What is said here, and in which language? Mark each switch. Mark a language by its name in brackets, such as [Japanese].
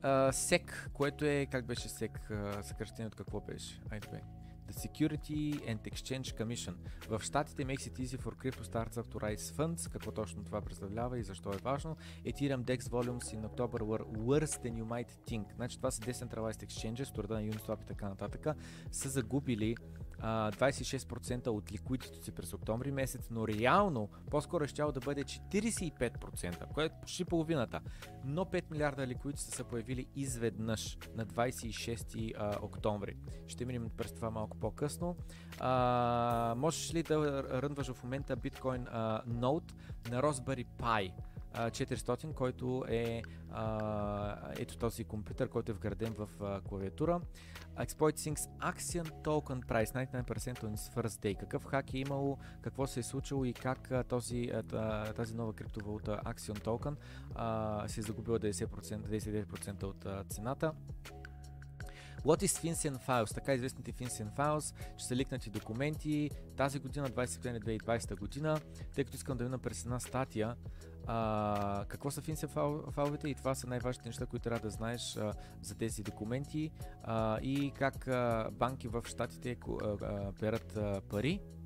[Bulgarian] SEC, което е, как беше SEC, съкръщение от какво беше? [English] Айде, The Security and Exchange Commission. В щатите makes it easy for crypto startup to raise funds. [Bulgarian] Какво точно това представлява и защо е важно? [English] Ethereum DEX volumes in October were worse than you might think. [Bulgarian] Значи това са decentralized exchanges, от рода на Uniswap и така нататък, са загубили 26% от ликвидито си през октомври месец, но реално по-скоро щяло да бъде 45%, което е почти половината. Но 5 милиарда ликвидито са появили изведнъж на 26 октомври. Ще минем през това малко по-късно. Можеш ли да ръндваш в момента биткоин ноут на Raspberry Pi 400, който е ето този компютър, който е вграден в клавиатура. [English] Exploit Sync's Axion Token Price 99% on its first day. [Bulgarian] Какъв хак е имало, какво се е случило и как тази нова криптовалута Axion Token се е загубила 99% от цената. [English] What is FinCEN Files? [Bulgarian] Така известните FinCEN Files, че са ликнати документи тази година, 20 октомври 2020 година, тъй като искам да видя през една статия какво са FinCEN файловете и това са най-важните неща, които трябва да знаеш за тези документи и как банки в щатите берат пари.